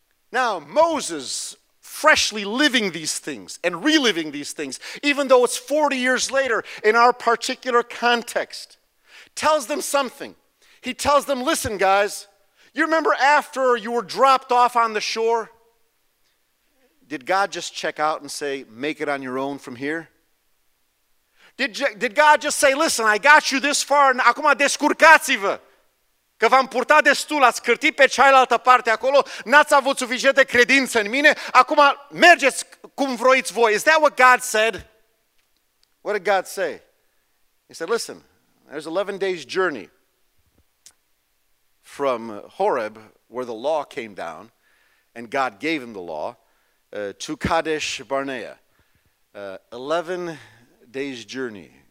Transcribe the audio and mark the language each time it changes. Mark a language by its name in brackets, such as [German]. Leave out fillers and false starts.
[English] Now, Moses, freshly living these things and reliving these things, even though it's 40 years later in our particular context, tells them something. He tells them, listen, guys, you remember after you were dropped off on the shore? Did God just check out and say, make it on your own from here? Did God just say, listen, I got you this far, and [Romanian] acum descurcați-vă, că v-am purtat destul, ați cârtit pe cealaltă parte acolo, n-ați avut suficientă credință în mine, acum mergeți cum vroiți voi. [English] Is that what God said? What did God say? He said, listen, there's 11 days journey from Horeb, where the law came down, and God gave him the law, to Kadesh Barnea, 11 days' journey.